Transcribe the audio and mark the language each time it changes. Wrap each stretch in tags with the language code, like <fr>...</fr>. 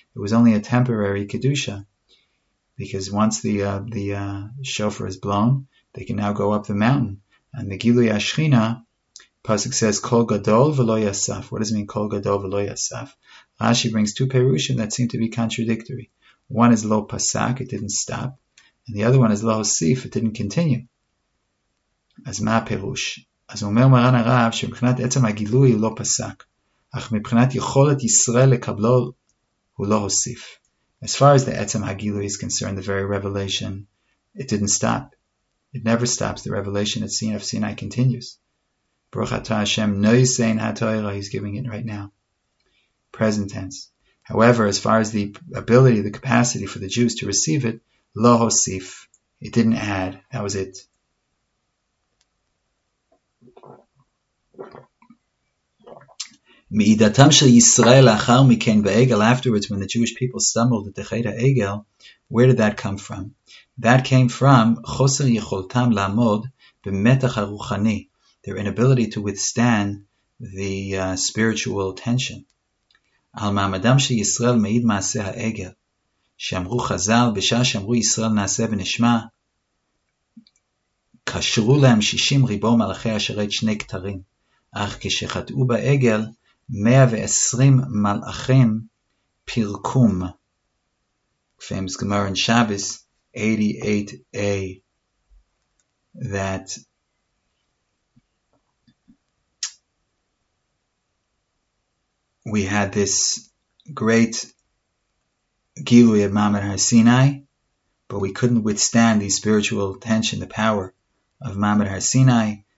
<en>It was only a temporary kedusha, because once the shofar is blown, they can now go up the mountain. And the gilui ashchina pasuk says</en> <he>kol gadol v'lo yasaf.</he> <en>What does it mean</en> <he>kol gadol v'lo yasaf?</he> <en>Rashi brings two perushim that seem to be contradictory. One is</en> <he>lo pasak,</he> <en>it didn't stop, and the other one is</en> <he>lo sif,</he> <en>it didn't continue.</en> <he>As ma perush? אז הוא אומר מרן הרב שמבחינת עצם הגילוי הוא לא פסק, אך מבחינת יכולת ישראל לקבלו הוא לא הוסיף.</he> <en>As far as the עצם הגילוי is concerned, the very revelation, it didn't stop. It never stops. The revelation of Sinai continues.</en> <he>ברוך אתה השם נויסן התוירה,</he> <en>he's giving it right now. Present tense. However, as far as the ability, the capacity for the Jews to receive it,</en> <he>לא הוסיף.</he> <en>It didn't add. That was it.</en> <he>מעידתם של ישראל לאחר מכן בעגל,</he> <en>afterwards when the Jewish people stumbled at the Chet HaEgel, where did that come from? That came from</en> <he>חוסר יכולתם לעמוד במתח הרוחני,</he> <en>their inability to withstand the spiritual tension.</en> <he>על מעמדם של ישראל מעיד מעשה העגל, שאמרו חזל בשעה שאמרו ישראל נעשה ונשמע, קשרו להם 60 ריבו מלאכי אשרי שני כתרים, אך כשחטאו בעגל, 120 מלאכים פירקום.</he> <en>Famous Gemara in Shabbos 88a, that we had this great Gilui of Mamad HaSinai, but we couldn't withstand the spiritual tension, the power of Mamad HaSinai.</en>